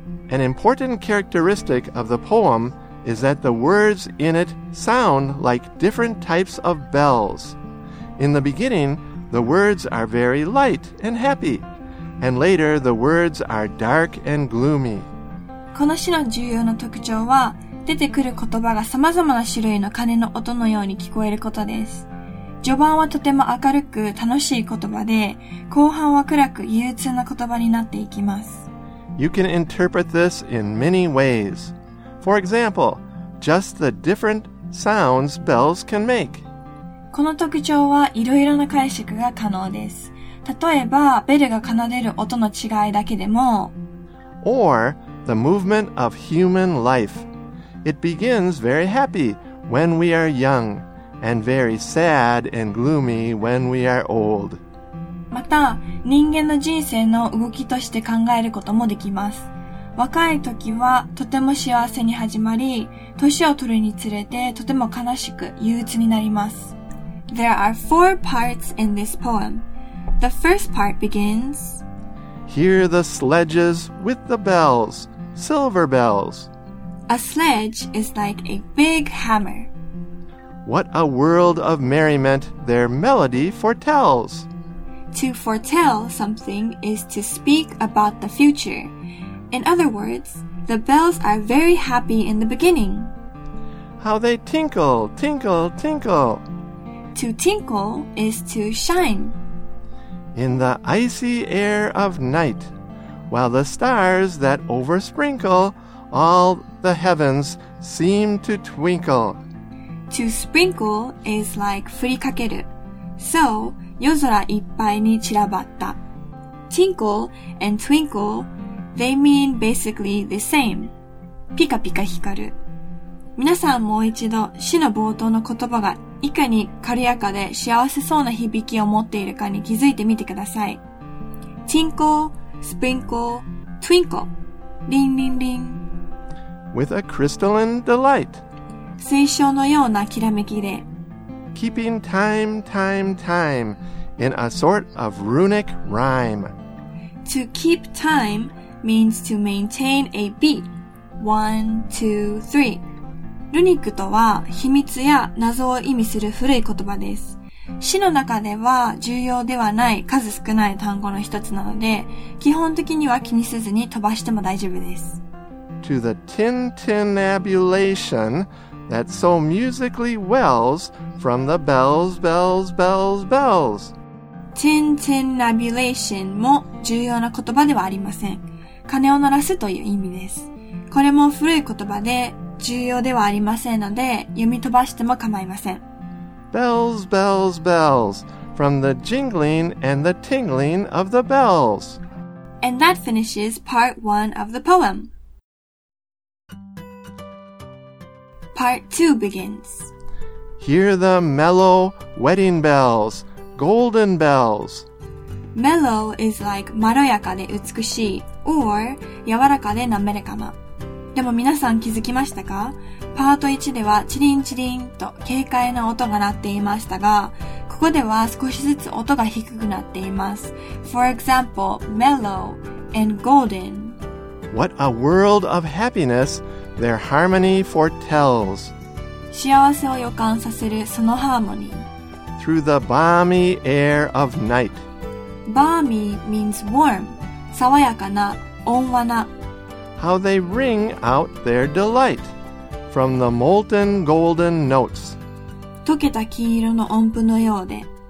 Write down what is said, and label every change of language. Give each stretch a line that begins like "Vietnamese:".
English: An important characteristic of the poem is that the words in it sound like different types of bells. In the beginning, the words are very light and happy, and later the words are dark and gloomy.
Japanese: この詩の重要な特徴は、出てくる言葉が様々な種類の鐘の音のように聞こえることです。序盤はとても明るく楽しい言葉で、後半は暗く憂鬱な言葉になっていきます。
English: You can interpret this in many ways. For example, just the different sounds bells can make.
Japanese: この特徴はいろいろな解釈が可能です。例えば、ベルが奏でる音の違いだけでも、
English: Or the movement of human life. It begins very happy when we are young, and very sad and gloomy when we are old.
Japanese: また、人間の人生の動きとして考えることもできます。若い時はとても幸せに始まり、年を取るにつれてとても悲しく憂鬱になります。
English: There are four parts in this poem. The first part begins, Hear the sledges with the bells, silver bells. A sledge is like a big hammer. What a world of merriment their melody foretells. To foretell something is to speak about the future. In other words, the bells are very happy in the beginning. How they tinkle, tinkle, tinkle. To tinkle is to shine. In the icy air of night, while the stars that oversprinkle all the heavens seem to twinkle. To sprinkle is like
Japanese: 振りかける. So, 夜空いっぱいに散らばった.
English: Tinkle and twinkle, they mean basically the same.
Japanese: ピカピカ光る. 皆さんもう一度詩の冒頭の言葉がいかに軽やかで幸せそうな響きを持っているかに気づいてみてください。
English: Tinkle, sprinkle, twinkle.
Japanese: リンリンリン。
English: With a crystalline delight.
Japanese: 水晶のようなきらめきで。
English: Keeping time, time, time in a sort of runic rhyme. To keep time means to maintain a beat. One, two, three.
Japanese: ルニックとは秘密や謎を意味する古い言葉です。詩の中では重要ではない数少ない単語の一つなので、基本的には気にせずに飛ばしても大丈夫です。
English: To the tintinnabulation that so musically wells from the bells, bells, bells, bells.
Japanese: Tintinnabulation も重要な言葉ではありません。鐘を鳴らすという意味です。これも古い言葉で、重要ではありませんので、読み飛ばしても構いません。
English: Bells, bells, bells, from the jingling and the tingling of the bells. And that finishes part one of the poem. Part two begins. Hear the mellow wedding bells, golden bells. Mellow is like
Japanese: まろやかで美しい
English: or
Japanese: 柔らかで滑らかな。でも皆さん気づきましたか？パート1ではチリンチリンと軽快な音が鳴っていましたが、ここでは少しずつ音が低くなっています。
English: For example, mellow and golden. What a world of happiness their harmony foretells.
Japanese: 幸せを予感させるそのハーモニー。
English: Through the balmy air of night. Balmy means warm,
Japanese: 爽やかな、温和な。
English: How they ring out their delight from the molten golden notes.
Japanese: 溶けた金色の音符のようで。